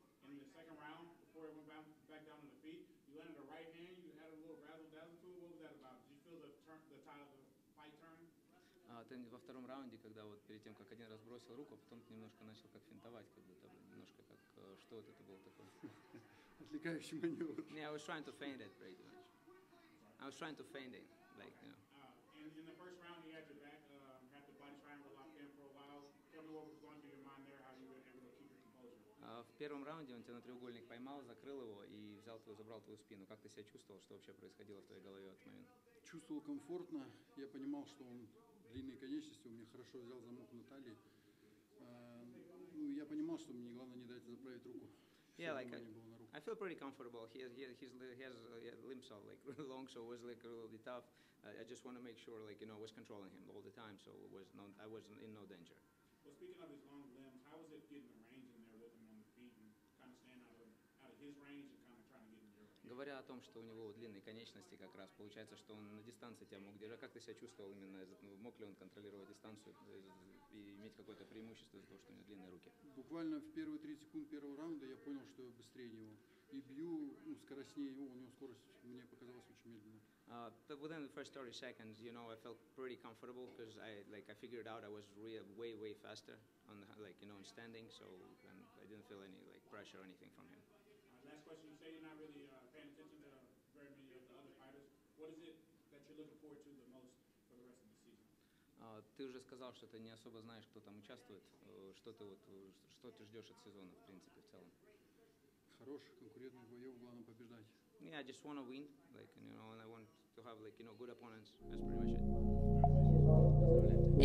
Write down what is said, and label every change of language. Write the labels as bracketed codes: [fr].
[en] In the second round, before it went back down to the feet, you landed a right hand. You had a little razzle-dazzle to it. What was that about? Did you feel the tide of the fight turn? [ru] Ten, во втором раунде, когда вот перед тем, как один раз бросил руку, потом немножко начал как финтовать, как будто немножко как что вот это было такое. Отвлекающий маневр. [en] Не, I was trying to feint it, pretty much. I was trying to feint it, like, you know. In the first round, you had your back, had the body triangle locked in for a while. Tell me what was going through your mind there, how you were able to keep your composure. [ru] В первом раунде он тебя на треугольник поймал, закрыл его и взял твою, забрал твою спину. Как ты себя чувствовал, что вообще происходило в твоей голове в этот момент? Чувствовал комфортно. Я понимал, что он длинные конечности, у меня хорошо взял замок на талии. Ну, я понимал, что мне главное не дать заправить руку. [en] Yeah, like I feel pretty comfortable. He has limp shot, like long shot was like really tough. I just want to make sure, like, you know, I was controlling him all the time, so it was not, I was in no danger. Well, speaking of his long limbs, how was it getting the range in there with him on the feet and kind of staying out of his range and kind of trying to get in your range? [ru] Говоря о том, что у него длинные конечности как раз, получается, что он на дистанции тебя мог держать. Как ты себя чувствовал именно? Мог ли он контролировать дистанцию и иметь какое-то преимущество из-за того, что у него длинные руки? Буквально в первые 30 секунд первого раунда я понял, что я быстрее него. И бью, ну, скоростнее его, у него скорость мне показалась очень медленной. [en] But within the first 30 seconds, you know, I felt pretty comfortable because I figured out I was way faster on the, like, you know, on standing, so and I didn't feel any like pressure or anything from him. Last question, you say you're not really paying attention to very many of the other fighters. What is it that you're looking forward to the most for the rest of the season? [ru] Ты уже сказал, что ты не особо знаешь, кто там участвует. Что ты ждешь от сезона, в принципе, в целом? Хороших конкурентных боев, главное побеждать. [en] Yeah, I just want to win, like, you know, and I want to have, like, you know, good opponents. That's pretty much it.